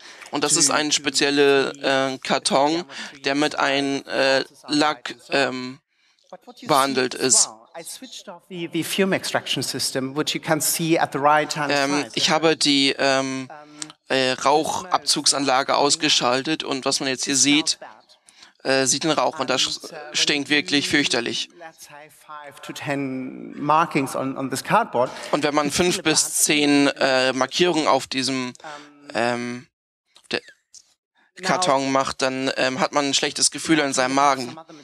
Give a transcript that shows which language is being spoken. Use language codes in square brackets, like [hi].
[de] Und das ist ein spezieller Karton, der mit einem Lack behandelt ist. [en] I switched off the fume extraction system, which you can see at the right hand side. [de] Ich habe die Rauchabzugsanlage ausgeschaltet und was man jetzt hier sieht, sieht den Rauch und das stinkt wirklich fürchterlich. Und wenn man 5 bis 10 Markierungen auf diesem Karton macht, dann hat man ein schlechtes Gefühl in seinem Magen.